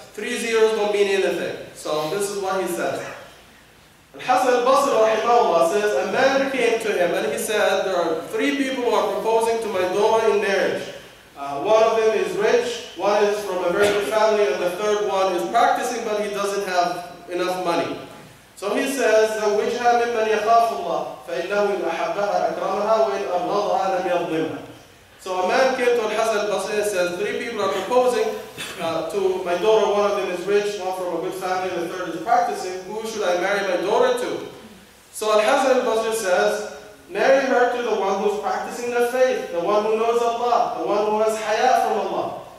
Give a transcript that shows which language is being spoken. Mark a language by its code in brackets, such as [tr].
[en] 3 zeros don't mean anything. So this is what he says. Al-Hasan al-Basri rahimahullah says, a man came to him and he said, there are 3 people who are proposing to my daughter in marriage. One of them is rich, one is from a very good family, and the third one is practicing, but he doesn't have enough money. So he says, [ar] زوجها ممن يخاف الله فإنه إن أحبها أكرمها وإن أبغضها لم يظلمها. [en] So a man came to Al-Hasan al-Basri and says, three people are proposing to my daughter. One of them is rich, one from a good family, and the third is practicing. Who should I marry my daughter to? So Al-Hasan al-Basri says, marry her to the one who's practicing the faith, the one who knows Allah, the one who has haya from Allah.